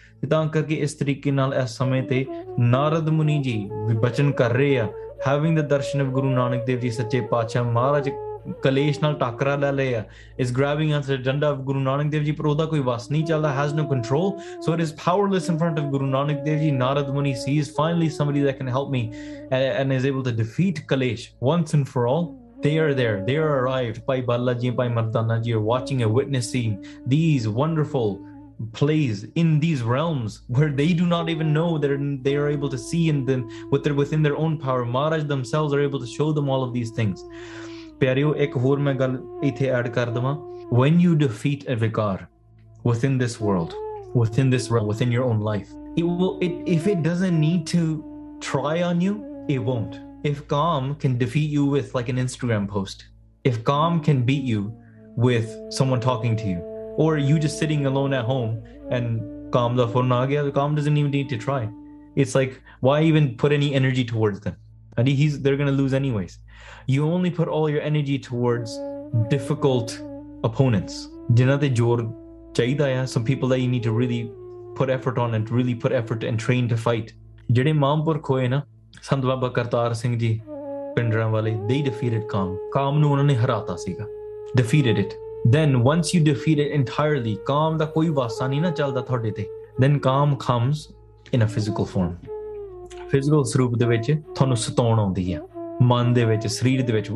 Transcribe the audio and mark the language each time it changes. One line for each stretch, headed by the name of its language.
Punjabi: ਤੇ ਤਾਂ ਕਰਕੇ ਇਸ ਤਰੀਕੇ ਨਾਲ ਇਸ ਸਮੇਂ ਤੇ ਨਾਰਦ ਮੁਨੀ ਜੀ ਵਚਨ ਕਰ ਰਹੇ ਆ,
English: having the darshan of
Punjabi: Guru Nanak Dev ji ਸੱਚੇ ਪਾਤਸ਼ਾਹ ਮਹਾਰਾਜ ਕਲੇਸ਼ ਨਾਲ ਟਾਕਰਾ ਲੈ ਲਏ ਆ,
English: is grabbing on danda of
Punjabi: ਗੁਰੂ ਨਾਨਕ ਦੇਵ ਜੀ, ਪਰ ਉਹਦਾ ਕੋਈ ਵਸ ਨਹੀਂ ਚੱਲਦਾ,
English: has no control, so it is powerless in front of
Punjabi: Guru Nanak Dev ji.
English: Narad Muni sees finally somebody that can help me and is able to defeat kalesh once and for all. They are there. They are arrived. Pai Bala Ji, Pai Mardana Ji are watching and witnessing these wonderful plays in these realms where they do not even know that they are able to see in them with their, within their own power. Maharaj themselves are able to show them all of these things.
Punjabi: Pyareo, ek hor main gal ithe add kar dama.
English: When you defeat a vikar within this world, within this realm, within your own life, if it doesn't need to try on you, it won't. If Kaam can defeat you with like an Instagram post, if Kaam can beat you with someone talking to you, or you just sitting alone at home and Kaam
Punjabi: da phone aa gaya,
English: Kaam doesn't even need to try. It's like, why even put any energy towards them? And they're going to lose anyways. You only put all your energy towards difficult opponents.
Punjabi: Jinnaan te jor chahida ya,
English: some people that you need to really put effort on and really put effort and train to fight.
Punjabi: Jede Maampur khoye na, ਸੰਤ ਬਾਬਾ ਕਰਤਾਰ ਸਿੰਘ ਜੀ ਪਿੰਡਰਾਂ ਵਾਲੇ,
English: they defeated
Punjabi: ਕਾਮ, ਕਾਮ ਨੂੰ ਉਹਨਾਂ ਨੇ ਹਰਾਤਾ ਸੀਗਾ,
English: Defeated it. Then once you defeat it entirely,
Punjabi: ਕਾਮ ਦਾ ਕੋਈ ਵਾਸਾ ਨਹੀਂ ਨਾ ਚੱਲਦਾ ਤੁਹਾਡੇ ਤੇ,
English: then kaam comes in a physical form,
Punjabi: ਫਿਜ਼ੀਕਲ ਸਰੂਪ ਦੇ ਵਿੱਚ ਤੁਹਾਨੂੰ ਸਤਾਉਣ ਆਉਂਦੀ ਆ, ਮਨ ਦੇ ਵਿੱਚ, ਸਰੀਰ ਦੇ ਵਿੱਚ।